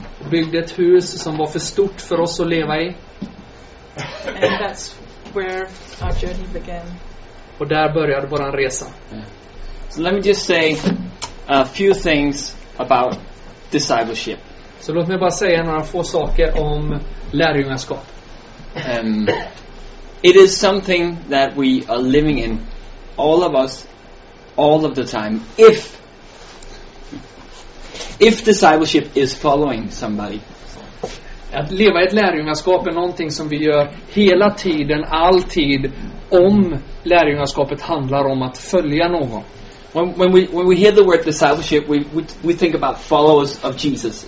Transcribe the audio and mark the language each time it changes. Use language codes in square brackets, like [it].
[sv] Byggde ett hus som var för stort för oss att leva i. [en] And that's where our journey began. [sv] Och där började våran resa. [en] So let me just say a few things about discipleship. [sv] Så låt mig bara säga några få saker om lärjungaskap. [en] It is something that we are living in, all of us, all of the time. If discipleship is following somebody. [sv] Att leva i ett lärjungaskap är någonting som vi gör hela tiden, alltid, om lärjungaskapet handlar om att följa någon. [en] When we hear the word discipleship, we think about followers of Jesus.